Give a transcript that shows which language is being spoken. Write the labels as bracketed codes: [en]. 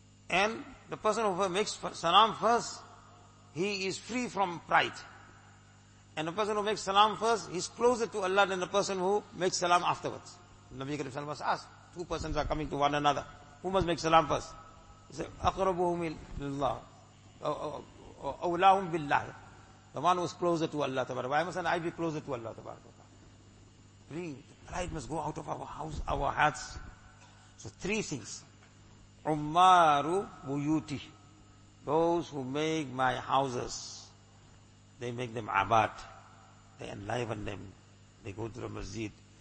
[en] And the person who makes salam first, he is free from pride. And the person who makes salam first, he's closer to Allah than the person who makes salam afterwards. Nabi Karim sallallahu alayhi wa sallam asked, two persons are coming to one another. Who must make salam first? He said, [ar] أَقْرَبُهُمِ لِلَّهِ أَوْلَاهُمْ بِاللَّهِ. [en] The one who is closer to Allah. Why must I be closer to Allah? Bring, the pride must go out of our house, our hearts. So three things. [ar] عُمَّارُ بُيُوتِ. [en] Those who make my houses, they make them abad. They enliven them. They go to the masjid.